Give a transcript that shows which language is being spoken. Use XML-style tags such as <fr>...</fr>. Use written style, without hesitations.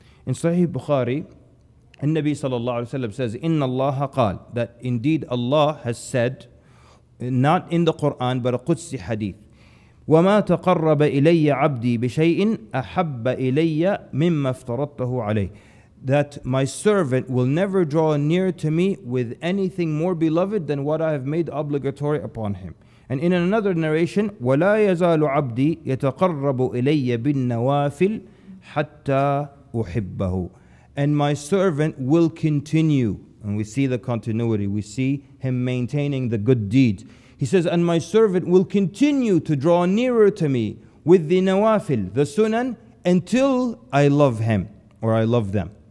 <en>In Sahih Bukhari, Nabi sallallahu alayhi wa sallam says, Inna Allah qal, that indeed Allah has said, not in the Quran, but a Qudsi hadith,</en> <ar>وَمَا تَقَرَّبَ إِلَيَّ عَبْدِي بِشَيْءٍ أَحَبَّ إِلَيَّ مِمَّا افْتَرَطَّهُ عَلَيْهِ,</ar> <en>that my servant will never draw near to me with anything more beloved than what I have made obligatory upon him. And in another narration,</en> <ar>وَلَا يَزَالُ عَبْدِي يَتَقَرَّبُ إِلَيَّ بِالنَّوَافِلْ حَتَّى أُحِبَّهُ.</ar> <en>And my servant will continue. And we see the continuity. We see him maintaining the good deeds. He says, and my servant will continue to draw nearer to me with the nawafil, the sunan, until I love him or I love them.</en>